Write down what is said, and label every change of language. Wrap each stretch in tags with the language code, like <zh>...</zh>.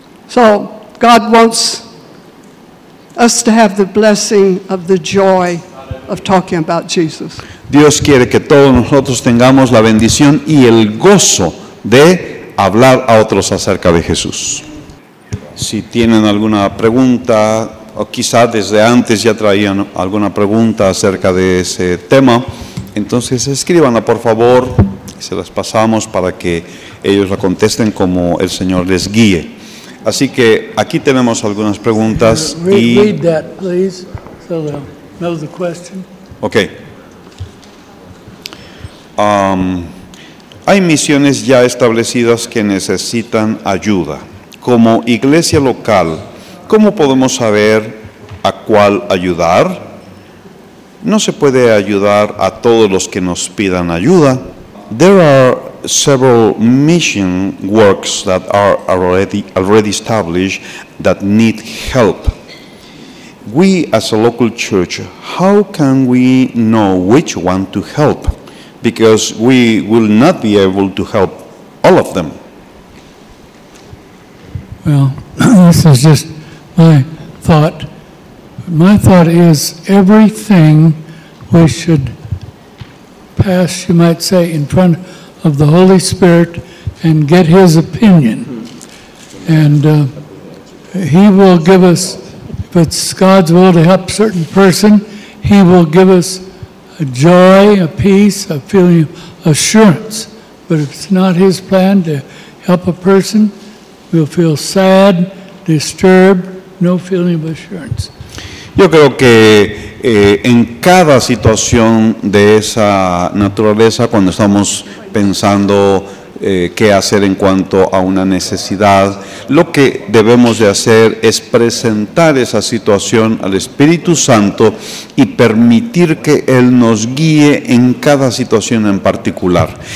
<en>So God wants us to have the blessing of the joy of talking about Jesus.</en> <es>Dios quiere que todos nosotros tengamos la bendición y el gozo de hablar a otros acerca de Jesús. Si tienen alguna pregunta, o quizá desde antes ya traían alguna pregunta acerca de ese tema, entonces escríbanla por favor. Se las pasamos para que ellos la contesten como el Señor les guíe. Así que aquí tenemos algunas preguntas.</es> <en>Read that, please, so they'll know the question. Okay.</en> <es>Hay misiones ya establecidas que necesitan ayuda. Como iglesia local, ¿cómo podemos saber a cuál ayudar? No se puede ayudar a todos los que nos pidan ayuda.</es> <en>There are several mission works that are already established that need help. We, as a local church, how can we know which one to help? Because we will not be able to help all of them. Well, this is just my thought. My thought is everything we should pass, you might say, in front of the Holy Spirit and get his opinion. And he will give us, if it's God's will to help a certain person, he will give us a joy, a peace, a feeling of assurance. But if it's not his plan to help a person, we'll feel sad, disturbed, no feeling of assurance.</en> <es>Yo creo que en cada situación de esa naturaleza, cuando estamos pensando qué hacer en cuanto a una necesidad. Lo que debemos de hacer es presentar esa situación al Espíritu Santo y permitir que Él nos guíe en cada situación en particular.</es>